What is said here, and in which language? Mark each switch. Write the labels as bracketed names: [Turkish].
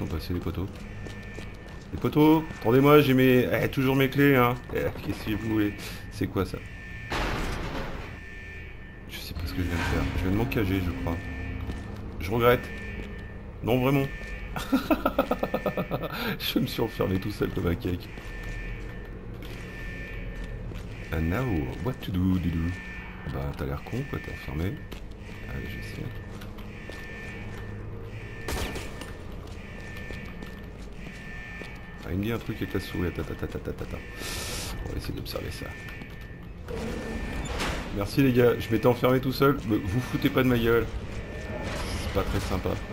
[French] Les poteaux. Les poteaux, attendez-moi, j'ai mes. Toujours mes clés, hein. Qu'est-ce que vous voulez? C'est quoi ça? Je sais pas ce que je viens de faire. Je viens de m'encager, je crois. Je regrette. Non, vraiment. Je me suis enfermé tout seul comme un cake. [English] And now, what to do, Doudou? [French] Bah, t'as l'air con, quoi, t'es enfermé. Allez, j'essaie. Il me dit un truc avec la souris, tatatatatata. On va essayer d'observer ça. Merci les gars, je m'étais enfermé tout seul. Vous foutez pas de ma gueule. C'est pas très sympa.